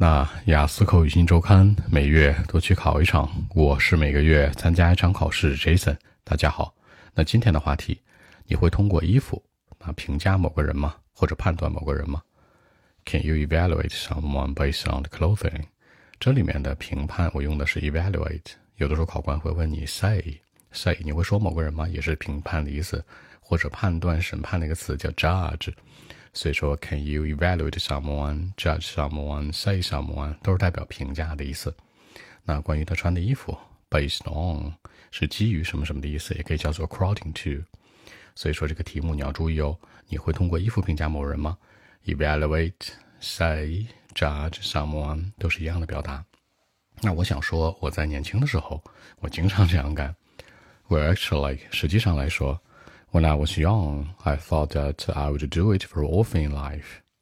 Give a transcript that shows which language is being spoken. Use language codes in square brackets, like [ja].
[zh] 那雅思口语新周刊每月都去考一场，我是每个月参加一场考试 Jason。大家好，那今天的话题，你会通过衣服评价某个人吗？或者判断某个人吗？ [en] Can you evaluate someone based on the clothing? [zh] 这里面的评判我用的是 evaluate， 有的时候考官会问你 say， 你会说某个人吗？也是评判的意思，或者判断审判的一个词叫 judge。所以说 [en] can you evaluate someone, judge someone, say someone [zh] 都是代表评价的意思。那关于他穿的衣服 based on 是基于什么什么的意思，也可以叫做 according to。所以说这个题目你要注意哦，你会通过衣服评价某人吗？ [en] evaluate, say, judge someone [zh] 都是一样的表达。那我想说我在年轻的时候我经常这样干。 [en] well actually [zh] 实际上来说， [en] When I was young, I thought that I would do it for all things in life.